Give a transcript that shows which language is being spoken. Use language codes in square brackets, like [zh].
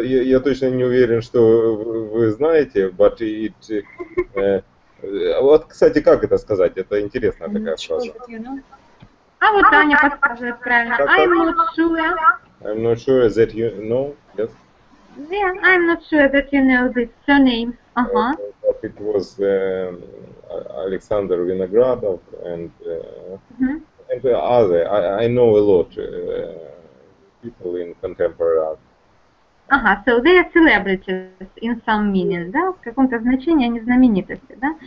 [ru] Я точно не уверен, что вы знаете, [en] but it... [ru] вот, кстати, как это сказать? Это интересная такая фраза. А вот Аня подскажет правильно. [en] I'm not sure. I'm not sure that you know, yes? Yeah, I'm not sure that you know this surname. But it was Alexander Vinogradov and... And other, I know a lot people in contemporary art. So they are celebrities in some meaning, да? [ru] В каком-то значении они знаменитости, да?